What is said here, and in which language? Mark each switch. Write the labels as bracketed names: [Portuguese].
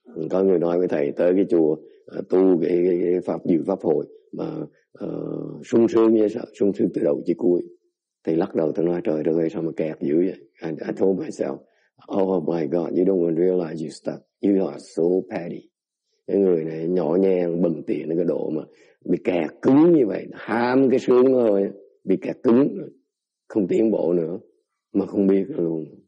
[Vietnamese] Có người nói với thầy tới cái chùa tu cái pháp dự pháp hội mà sung sướng như sao, sung sướng từ đầu chí cuối. Thầy lắc đầu, tôi nói trời ơi sao mà kẹt dữ vậy. [English] I told myself, oh my god, you don't want to realize you're stuck, you are so petty. [Vietnamese] Cái người này nhỏ nhen bần tiện cái độ mà bị kẹt cứng như vậy, ham cái sướng thôi, bị kẹt cứng, không tiến bộ nữa, mà không biết luôn.